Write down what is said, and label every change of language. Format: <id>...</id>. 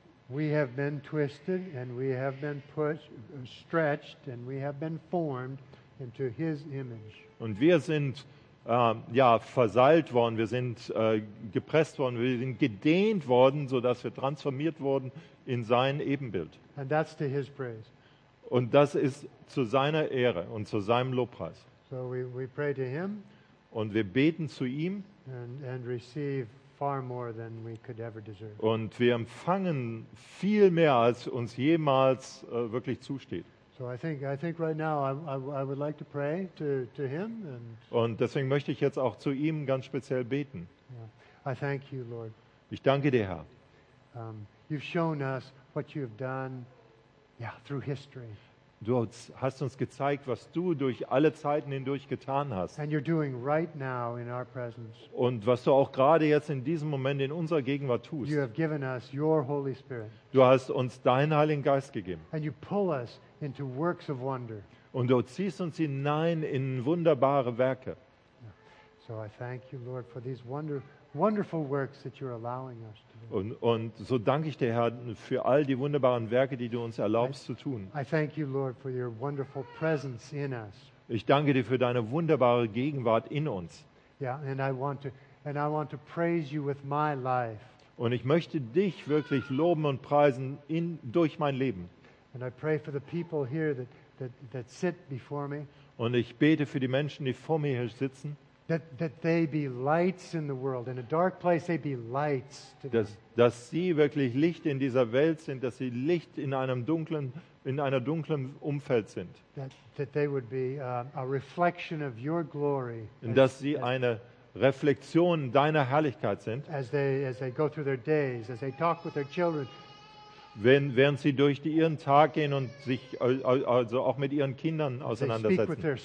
<en>We have been twisted and we have been pushed, stretched and we have been formed into his image.</en> <de>Und wir sind verseilt worden, wir sind gepresst worden, wir sind gedehnt worden, sodass wir transformiert wurden in sein Ebenbild.</de> <en>And that's to his praise.</en> <de>Und das ist zu seiner Ehre und zu seinem Lobpreis.</de> <en>So we pray to him,</en> <de>und wir beten zu ihm</de> <en>and receive far more than we could ever deserve.</en> <de>Und wir empfangen viel mehr, als uns jemals wirklich zusteht.</de> <en>So I think right now I would like to pray to him and</en> <de>und deswegen möchte ich jetzt auch zu ihm ganz speziell beten.</de> <en>I thank you, Lord.</en> <de>Ich danke dir, Herr.</de> <en>You've shown us what you've done, yeah, through history.</en> <de>Du hast uns gezeigt, was du durch alle Zeiten hindurch getan hast.</de> <en>And you're doing right now in our presence.</en> <de>Und was du auch gerade jetzt in diesem Moment in unserer Gegenwart tust.</de> <en>You have given us your Holy Spirit.</en> <de>Du hast uns deinen Heiligen Geist gegeben.</de> <en>And you pull us into works of wonder.</en> <de>Und du ziehst uns hinein in wunderbare Werke.</de> <en>So I thank you, Lord, for these wonderful works that you're allowing us to do.</en> <de>Und so danke ich dir, Herr, für all die wunderbaren Werke, die du uns erlaubst zu tun.</de> <en>I thank you, Lord, for your wonderful presence in us.</en> <de>Ich danke dir für deine wunderbare Gegenwart in uns.</de> <en>Yeah, and I want to praise you with my life.</en> <de>Und ich möchte dich wirklich loben und preisen durch mein Leben.</de> <en>And I pray for the people here that sit before me.</en> <de>Und ich bete für die Menschen, die vor mir hier sitzen.</de> <en>That they be lights in the world, in a dark place they be lights to them.</en> <de>Dass sie wirklich Licht in dieser Welt sind, dass sie Licht in einer dunklen Umfeld sind.</de> <en>That they would be a reflection of your glory.</en> <de>Dass sie eine Reflexion deiner Herrlichkeit sind.</de> <en>As they go through their days, as they talk with their children.</en> <de>Während sie durch ihren Tag gehen und sich also auch mit ihren Kindern auseinandersetzen.</de>